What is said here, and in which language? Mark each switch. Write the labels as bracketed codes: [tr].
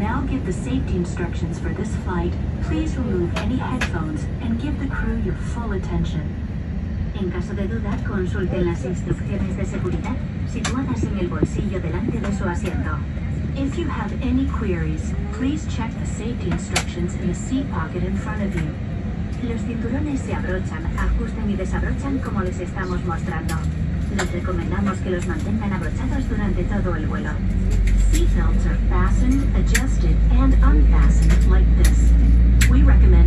[en] instructions for this flight, please remove any headphones and give the crew your full attention. [es] En caso de duda, consulten las instrucciones de seguridad situadas en el bolsillo delante de su asiento. [en] If you have any queries, please check the safety instructions in the seat pocket in front of you. [es] Los cinturones se abrochan, ajusten y desabrochan como les estamos mostrando. Les recomendamos que los mantengan abrochados durante todo el vuelo. [en] Seat belts are fastened, adjusted, and unfastened like this. We recommend